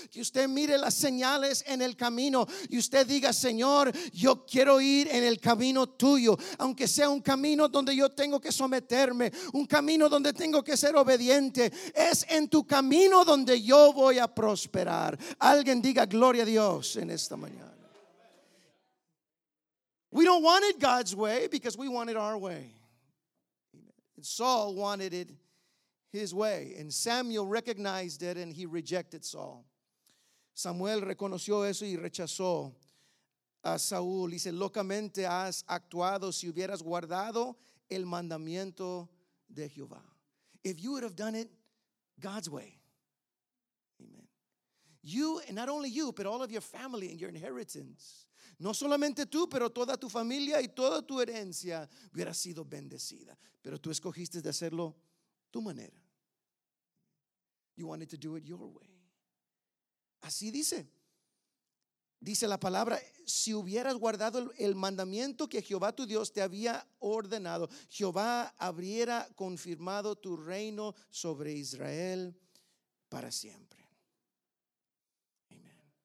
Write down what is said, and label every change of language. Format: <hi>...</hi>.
<es>Que usted mire las señales en el camino. Y usted diga, Señor, yo quiero ir en el camino tuyo. Aunque sea un camino donde yo tengo que someterme. Un camino donde tengo que ser obediente. Es en tu camino donde yo voy a prosperar. Alguien diga, gloria a Dios en esta mañana.</es> <en>We don't want it God's way because we want it our way. And Saul wanted it his way, and Samuel recognized it and he rejected Saul.</en> <es>Samuel reconoció eso y rechazó a Saúl. Dice, locamente has actuado si hubieras guardado el mandamiento de Jehová.</es> <en>If you would have done it God's way, amen. You, and not only you, but all of your family and your inheritance.</en> <es>No solamente tú, pero toda tu familia y toda tu herencia hubiera sido bendecida. Pero tú escogiste de hacerlo tu manera.</es> <en>You wanted to do it your way.</en> <es>Así dice. Dice la palabra, si hubieras guardado el mandamiento que Jehová tu Dios te había ordenado, Jehová habría confirmado tu reino sobre Israel para siempre. Amen.</es>